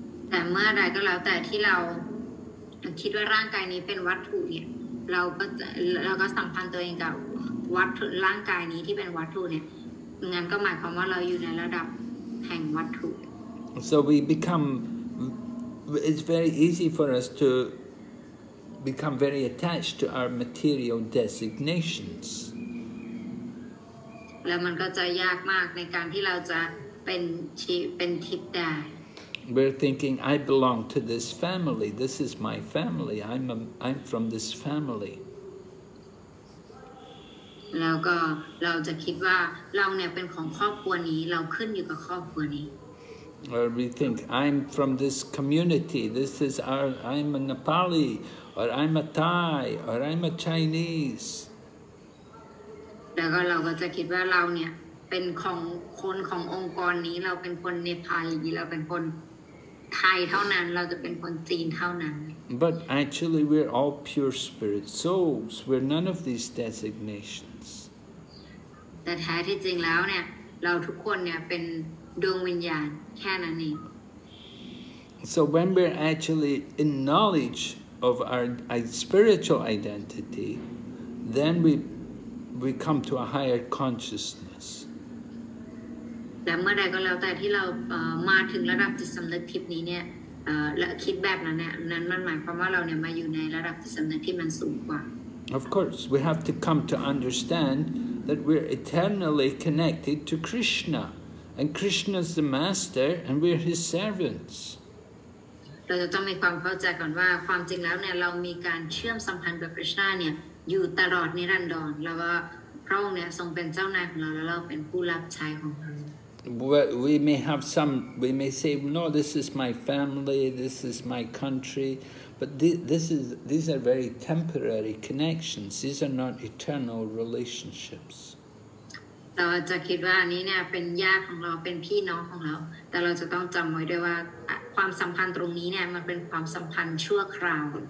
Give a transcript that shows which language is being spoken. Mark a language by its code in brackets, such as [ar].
[th] แต่เมื่อใดก็แล้วแต่ที่เราคิดว่าร่างกายนี้เป็นวัตถุเนี่ยเราก็สัมพันธ์ตัวเองกับวัตถุร่างกายนี้ที่เป็นวัตถุเนี่ยงั้นก็หมายความว่าเราอยู่ในระดับแห่งวัตถุ [en] So we become it's very easy for us to become very attached to our material designations [th] แล้วมันก็จะยากมากในการที่เราจะเป็นทิพย์ได้ [en] We're thinking I belong to this family this is my family I'm from this family [th] แล้วก็เราจะคิดว่าเราเนี่ยเป็นของครอบครัวนี้เราขึ้นอยู่กับครอบครัวนี้ [en] Or we think I'm from this community this is our I'm a Nepali or I'm a Thai or I'm a Chinese [th] แล้วก็เราก็จะคิดว่าเราเนี่ยเป็นของคนขององค์กรนี้เราเป็นคนเนปาลีเราเป็นคนไทยเท่านั้นเราจะเป็นคนจีนเท่านั้น [en] But actually we're all pure spirit souls we're none of these designations [th] แต่แท้ที่จริงแล้วเนี่ยเราทุกคนเนี่ยเป็นดวงวิญญาณแค่นั้นเอง [en] So when we're actually in knowledge of our spiritual identity then we come to a higher consciousness [th] แต่เมื่อใดก็แล้วแต่ที่เรามาถึงระดับจิตสำนึกทิพย์นี้เนี่ยและคิดแบบนั้นเนี่ยนั้นมันหมายความว่าเราเนี่ยมาอยู่ในระดับจิตสำนึกที่มันสูงกว่า [en] Of course we have to come to understandthat we're eternally connected to Krishna and Krishna's the master and we're his servants [th] เราต้องมีความเข้าใจก่อนว่าความจริงแล้วเนี่ยเรามีการเชื่อมสัมพันธ์กับคริชนาเนี่ยอยู่ตลอดนิรันดรแล้วพระองค์เนี่ยทรงเป็นเจ้านายของเราแล้วเราเป็นผู้รับใช้ของพระองค์ [en] But we may have some we may say no this is my family this is my country but these are very temporary connections these are not eternal relationships [th] เราจะคิดว่าอันนี้เนี่ยเป็นญาติของเราเป็นพี่น้องของเราแต่เราจะต้องจำไว้ด้วยว่าความสัมพันธ์ตรงนี้เนี่ยมันเป็นความสัมพันธ์ชั่วคราว